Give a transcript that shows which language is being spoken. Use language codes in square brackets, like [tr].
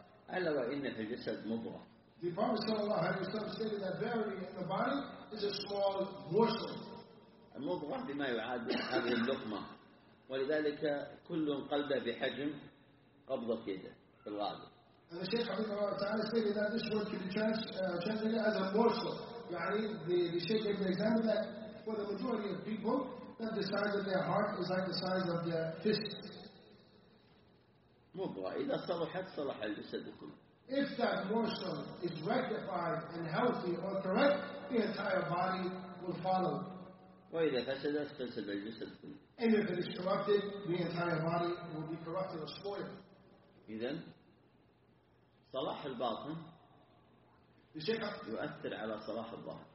[ar] ألا وإن في الجسد مضغة. [en] The Prophet [ar] صلى الله عليه وسلم [en] stated that verily the body is a small morsel. [ar] المضغة بما يعادل هذه اللقمة، ولذلك كل قلب بحجم قبضة يده في الغالب. [en] And the Sheikh [ar] رحمه الله تعالى [en] stated that this word can be translated as a morsel. يعني the Sheikh gave the example that for the majority of people that the size of their heart is like the size of their fist. [ar] مضغة إذا صلحت صلح الجسد كله. [en] If that morsel is rectified and healthy or correct, the entire body will follow. [ar] وإذا فسدت فسد الجسد كله. [en] And if it is corrupted, the entire body will be corrupted or spoiled. [ar] إذن صلاح الباطن يؤثر على صلاح الظاهر.